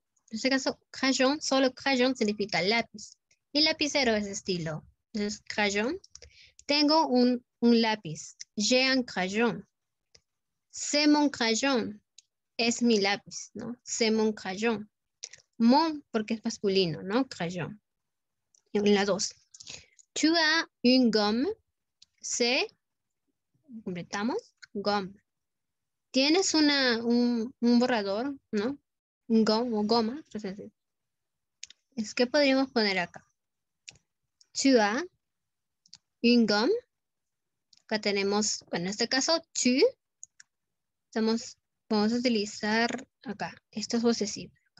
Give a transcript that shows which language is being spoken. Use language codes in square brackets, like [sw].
[es] En este caso, crayón, solo crayón significa lápiz. Y lapicero es estilo. Entonces, crayón, tengo un lápiz. [fr] J'ai un crayón. C'est mon crayón. [es] Es mi lápiz, ¿no? [fr] C'est mon crayon. [es] Mon, porque es masculino, ¿no? [fr] Crayon. [es] En la dos. [fr] Tu as une gomme. C'est, [es] completamos, gomme. Tienes un borrador, ¿no? [fr] Un gomme [es] o goma. Entonces, es que podríamos poner acá. [fr] Tu as une gomme. [es] Acá tenemos, bueno, en este caso, tu. Vamos a utilizar acá, esto es posesivo.